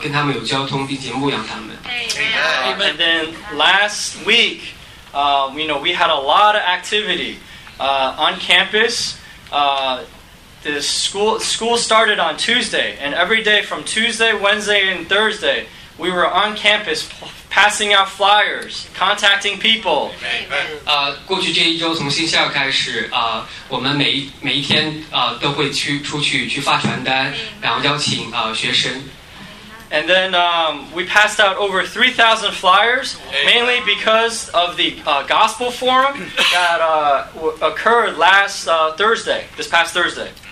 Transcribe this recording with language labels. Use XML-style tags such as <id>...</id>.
<zh>我很希望圣徒们有负担，可以跟他们有交通，并且牧养他们。</zh> <en>And then last week, you know, we had a lot of activity on campus. The school started on Tuesday, and every day from Tuesday, Wednesday, and Thursday, we were on campus passing out flyers, contacting people. Amen.</en> <zh>过去这一周，从星期二开始，我们每一天都会出去去发传单，然后邀请学生。</zh> <en>And then we passed out over 3,000 flyers, mainly because of the gospel forum that occurred last Thursday, this past Thursday.</en>